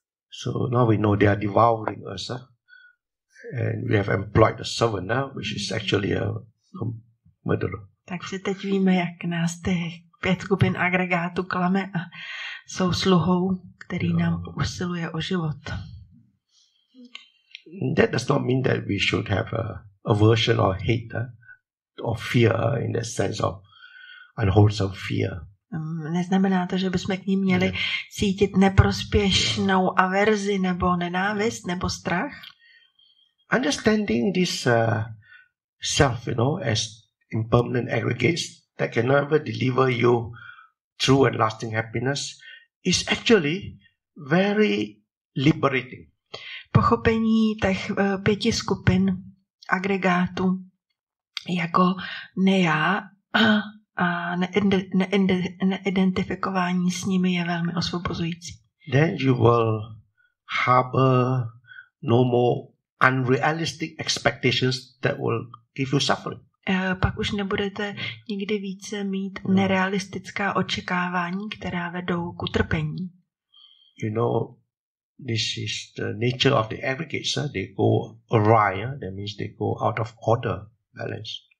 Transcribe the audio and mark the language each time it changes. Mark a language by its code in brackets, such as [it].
[en] So now we know they are devouring us, and we have employed a servant, which is actually a murderer. [cs] Takže teď víme, jak nás ty pět skupin agregátu klame a jsou sluhou, který nám usiluje o život. [en] That does not mean that we should have aversion or hate or fear in the sense of unwholesome fear. [cs] Neznamená to, že bychom k ním měli cítit neprospěšnou averzi nebo nenávist nebo strach? [en] Understanding this self, you know, as impermanent aggregates that can never deliver you true and lasting happiness is actually very liberating. [cs] Pochopení těch pěti skupin agregátů jako nejá a neidentifikování s nimi je velmi osvobozující. [en] Then you will harbor no more unrealistic expectations that will give you suffering. [cs] Pak už nebudete nikdy více mít nerealistická očekávání, která vedou k utrpení. [en] You know, this is the nature of the aggregates. They go awry. That means they go out of order, balance.